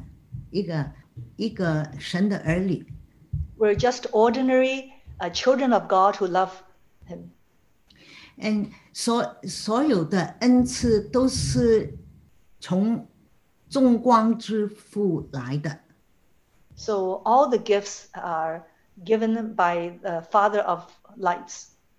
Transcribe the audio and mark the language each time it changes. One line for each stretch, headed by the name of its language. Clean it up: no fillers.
Chinese: 就是我们都是一个平凡的爱主的一个神的儿女。
English: We're just ordinary children of God who love Him. And
Chinese: 所有的恩赐都是从众光之父来的。
English: So all the gifts are given by the Father of Lights.